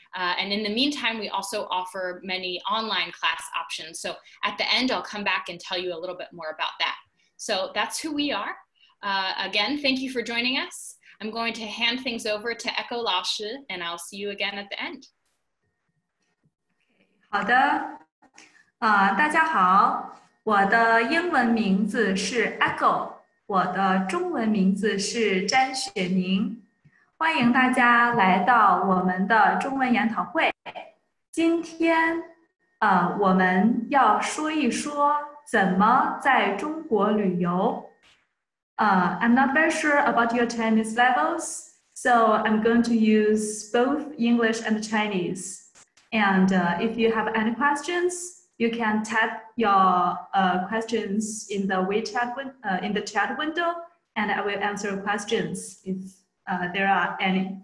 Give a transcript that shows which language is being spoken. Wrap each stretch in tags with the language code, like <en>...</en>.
<en>And in the meantime, we also offer many online class options. So at the end, I'll come back and tell you a little bit more about that. So that's who we are. Again, thank you for joining us. I'm going to hand things over to Echo 老师, and I'll see you again at the end.</en> <zh>好的，大家好。我的英文名字是 Echo， 我的中文名字是詹雪宁。欢迎大家来到我们的中文研讨会。今天，我们要说一说怎么在中国旅游。</zh> <en>I'm not very sure about your Chinese levels, so I'm going to use both English and Chinese. And if you have any questions,You can type your questions in the WeChat in the chat window, and I will answer questions if there are any.</en>